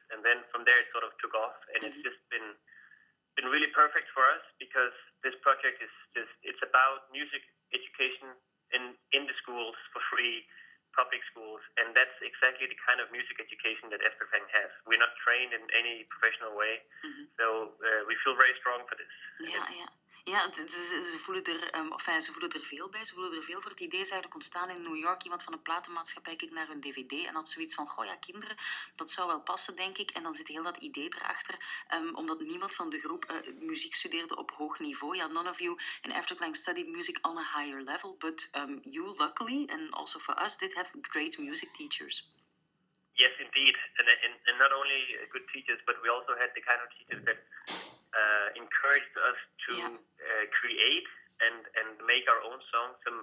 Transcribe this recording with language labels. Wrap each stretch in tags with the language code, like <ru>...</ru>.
<en>And then from there it sort of took off and mm-hmm. it's just been really perfect for us because this project is just, it's about music education in the schools for free, public schools, and that's exactly the kind of music education that Evergreen has. We're not trained in any professional way, mm-hmm. so we feel very strong for this.</en> <nl>Ze voelen er veel bij. Ze voelen er veel voor. Het idee is eigenlijk ontstaan in New York. Iemand van de platenmaatschappij keek naar hun DVD en had zoiets van, goh ja, kinderen, dat zou wel passen, denk ik. En dan zit heel dat idee erachter. Omdat niemand van de groep muziek studeerde op hoog niveau.</nl> <en>Ja, none of you in Evergreen studied music on a higher level. But you, luckily, and also for us, did have great music teachers. Yes, indeed. And not only good teachers, but we also had the kind of teachers that encouraged us to create and make our own songs.</en>